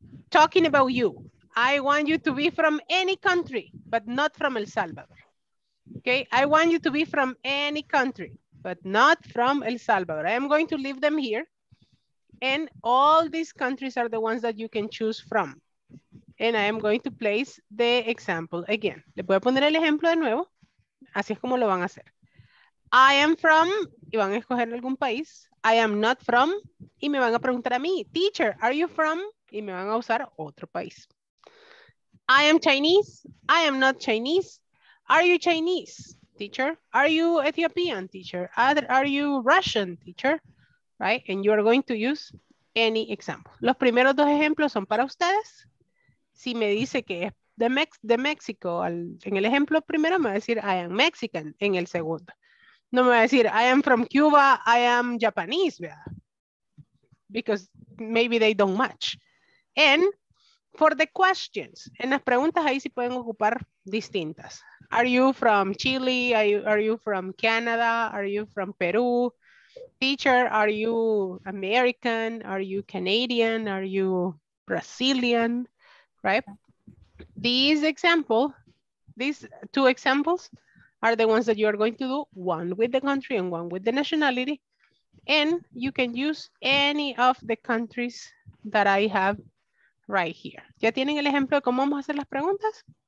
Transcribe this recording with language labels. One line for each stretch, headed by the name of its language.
English: talking about you. I want you to be from any country, but not from El Salvador. Okay, I want you to be from any country, but not from El Salvador. I am going to leave them here. And all these countries are the ones that you can choose from. And I am going to place the example again.
Spanish: Le voy a poner el ejemplo de nuevo. Así es como lo van a hacer.
English: I am from,
Spanish: y van a escoger algún país.
English: I am not from,
Spanish: y me van a preguntar a mí, teacher,
English: are you from?
Spanish: Y me van a usar otro país.
English: I am Chinese, I am not Chinese. Are you Chinese, teacher? Are you Ethiopian, teacher? Are you Russian, teacher? Right, and you are going to use any example.
Spanish: Los primeros dos ejemplos son para ustedes. Si me dice que es de México, en el ejemplo primero me va a decir
English: I am Mexican,
Spanish: en el segundo. No me va a decir
English: I am from Cuba, I am Japanese,
Spanish: ¿verdad?
English: Because maybe they don't match. And for the questions,
Spanish: en las preguntas ahí sí pueden ocupar distintas.
English: Are you from Chile? Are you from Canada? Are you from Peru? Teacher, are you American? Are you Canadian? Are you Brazilian? Right? These example, these two examples are the ones that you are going to do, one with the country and one with the nationality. And you can use any of the countries that I have right here.
Spanish: ¿Ya tienen el ejemplo de cómo vamos a hacer las preguntas?